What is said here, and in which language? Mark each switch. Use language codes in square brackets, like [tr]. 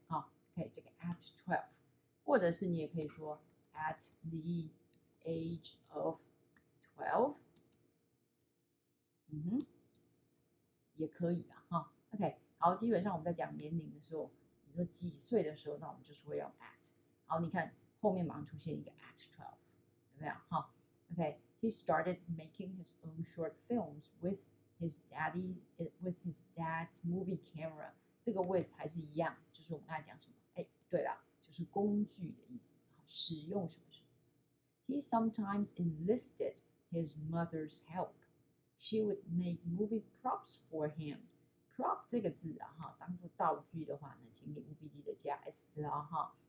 [zh] 好，可以这个 at 12，或者是你也可以说 [en] at the age of 12。 [zh] 嗯哼，也可以啊，哈。 OK， 好，基本上我们在讲年龄的时候，你说几岁的时候，那我们就是会用 at。好，你看后面马上出现一个 at 12，有没有？哈 ，OK。 [en] He started making his own short films with his daddy, with his dad's movie camera. [zh] 这个 with 还是一样，就是我们刚才讲什么？哎，对了，就是工具的意思，使用什么什么。 [en] He sometimes enlisted his mother's help. She would make movie props for him. [zh] Prop 这个字啊，哈，当做道具的话呢，请你务必记得加 s 啊，哈。